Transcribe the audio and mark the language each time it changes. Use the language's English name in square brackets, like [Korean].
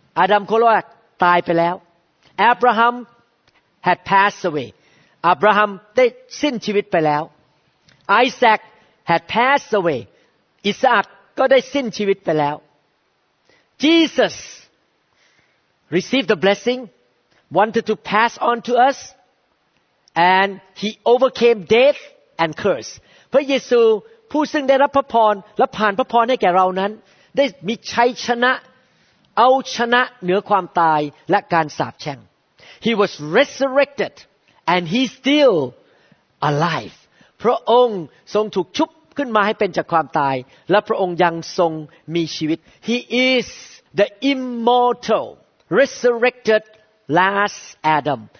[Thai] อาดัมคนแรกตายไปแล้ว [English] Abraham had passed away. [Thai] อับราฮัมได้สิ้นชีวิตไปแล้วไอแซค [English] had passed away [Thai] อิสอัคก็ได้สิ้นชีวิตไปแล้ว Jesus [English] received the blessing, wanted to pass on to us, and he overcame death and curse. [Thai] พระเยซูผู้ซึ่งได้รับพระพรและผ่านพระพรให้แก่เรานั้นได้มีชัยชนะเอาชนะเหนือความตายและการสาปแช่ง [English] He was resurrected and he's still alive. [Thai] พระองค์ทรงถูกชุบขึ้นมาให้เป็นจากความตายและพระองค์ยังทรงมีชีวิต [English] He is the immortal resurrected last Adam.